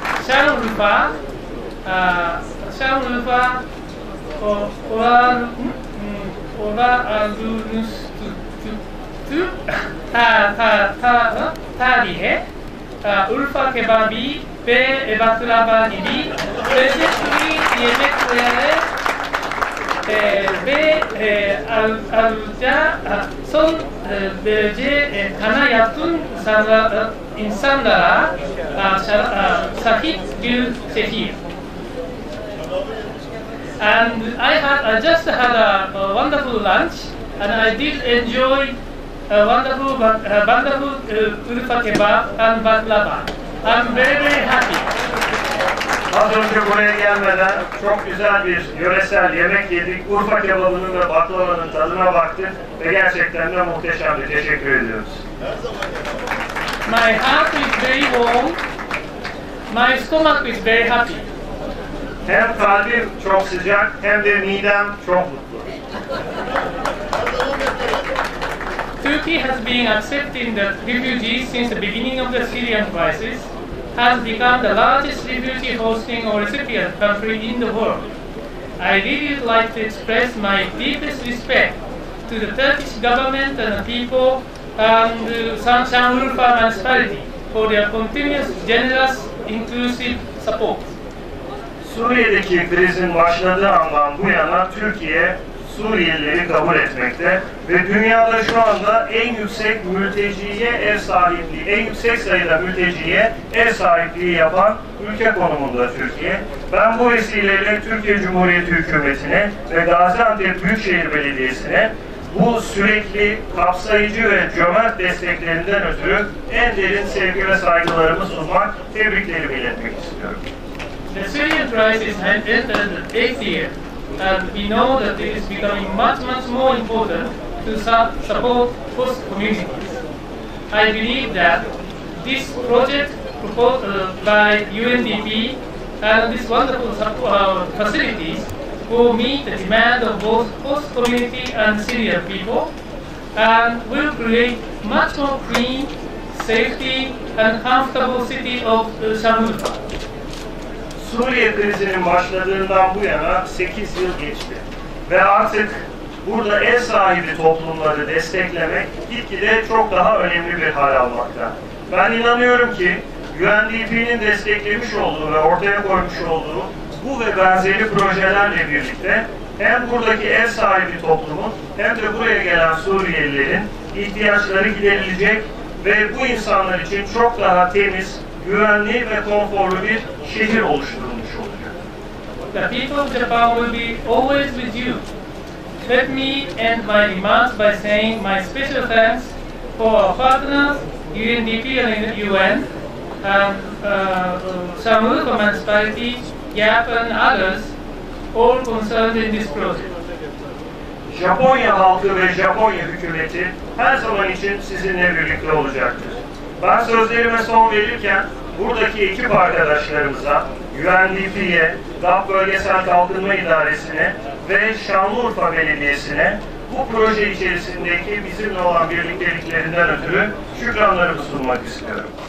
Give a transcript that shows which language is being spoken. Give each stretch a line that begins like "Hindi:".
Turkish: Şanlıurfa tarihe Urfa kebabı ve baklava gibi lezzetli yemeklere ve ayrıca son derece kana yakın insanlara sahip bir şehir.
English: And I just had a wonderful lunch, and I did enjoy a wonderful Urfa kebab and baklava. I'm very very happy.
Turkish: Az önce buraya gelmeden çok güzel bir yöresel yemek yedik. Urfa kebabının ve baklavanın tadına baktık ve gerçekten de muhteşemdi. Teşekkür ediyoruz.
English: My heart is very warm. My stomach is very happy.
Turkish: Hem kalbim çok sıcak hem de midem çok mutlu.
English: Turkey has been accepting the refugees since the beginning of the Syrian crisis. Has become the largest refugee hosting or recipient country in the world. I really would like to express my deepest respect to the Turkish government and the people and Şanlıurfa municipality for their continuous generous inclusive support.
Turkish: Suriye'deki krizin başladığı andan bu yana Türkiye Suriyelileri kabul etmekte ve dünyada şu anda en yüksek mülteciye ev sahipliği, en yüksek sayıda mülteciye ev sahipliği yapan ülke konumunda Türkiye. Ben bu vesileyle Türkiye Cumhuriyeti Hükümeti'ne ve Gaziantep Büyükşehir Belediyesi'ne bu sürekli kapsayıcı ve cömert desteklerinden ötürü en derin sevgi ve saygılarımı sunmak, tebriklerimi iletmek istiyorum.
English: The Syrian crisis has entered the eighth year. And we know that it is becoming much, much more important to support host communities. I believe that this project proposed by UNDP and this wonderful facilities who meet the demand of both host community and Syrian people, and will create much more clean, safety, and comfortable city of Şanlıurfa.
Turkish: Suriye krizinin başladığından bu yana 8 yıl geçti ve artık burada ev sahibi toplumları desteklemek gitgide çok daha önemli bir hal almakta. Ben inanıyorum ki UNDP'nin desteklemiş olduğu ve ortaya koymuş olduğu bu ve benzeri projelerle birlikte hem buradaki ev sahibi toplumun hem de buraya gelen Suriyelilerin ihtiyaçları giderilecek ve bu insanlar için çok daha temiz, güvenli ve konforlu bir şehir oluşturulmuş olacak.
English: The people of Japan will be always with you. Let me end my remarks by saying my special thanks for our partners, UNDP and UN, and Şanlıurfa Municipality, YAP and others, all concerned in this project.
Turkish: Japonya halkı ve Japonya hükümeti her zaman için sizinle birlikte olacaktır. Ben sözlerime son verirken buradaki ekip arkadaşlarımıza, UNDP'ye, DAP Bölgesel Kalkınma İdaresi'ne ve Şanlıurfa Belediyesi'ne bu proje içerisindeki bizimle olan birlikteliklerinden ötürü şükranlarımı sunmak istiyorum.